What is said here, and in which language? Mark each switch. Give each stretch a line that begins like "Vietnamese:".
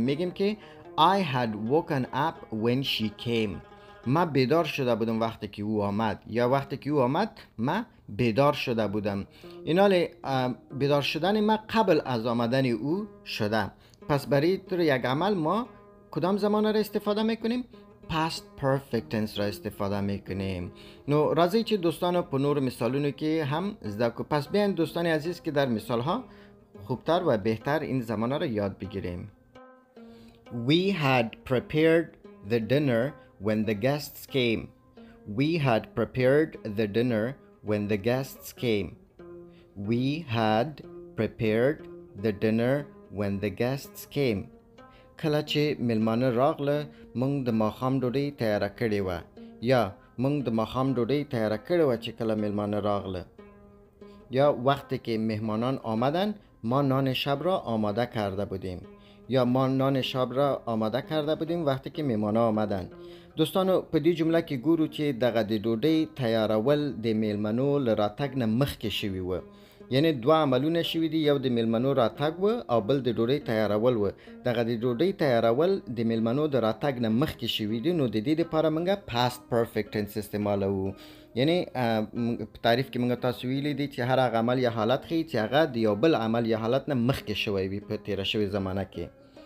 Persian: میگیم که
English: I had woken up when she came،
Persian: ما بیدار شده بودم وقتی که او آمد، یا وقتی که او آمد ما بیدار شده بودم. اینا بیدار شدن ما قبل از آمدن او شده. پس برای طور یک عمل ما کدام زمان را استفاده میکنیم؟ past perfect tense را استفاده میکنیم.
Pashto: نو راضی چه دوستانو په نور مثالونو کې هم زده کو.
Persian: پس بیاین دوستان عزیز که در مثال ها خوبتر و بهتر این زمانه را یاد بگیریم.
English: We had prepared the dinner when the guests came. We had prepared the dinner when the guests came. We had prepared the dinner when the guests came.
Pashto: کله چې میلمانه راغله، موږ د ماښام ډوډۍ تیاره کړې وه، یا موږ د ماښام ډوډۍ تیاره کړې وه چې کله میلمانه راغله.
Persian: یا وقتی که مهمانان آمدن، ما نان شب را آماده کرده بودیم، یا ما نان شب را آماده کرده بودیم وقتی که مهمانان آمدن.
Pashto: دوستانو، په دې جمله کې ګورو چې دغه د ډوډۍ تیارول د میلمنو لراتګ نه مخکې شوی و. یعنی دو عملونه شوی دی، یو د میلمنو راتګ و او بل د ډوډۍ تیارول و. دغه د ډوډۍ تیارول د میلمنو د راتګ نه مخکې شوی دی. نو د دې لپاره موږ پاست پرفیکټ تنس استعمالوو. یعنی په تعریف کې موږ تاسو ویلي دي چې هر هغه عمل یا حالت ښیي چې هغه د یو بل عمل یا حالت نه مخکې شوی وي په تیره شوې زمانه کې.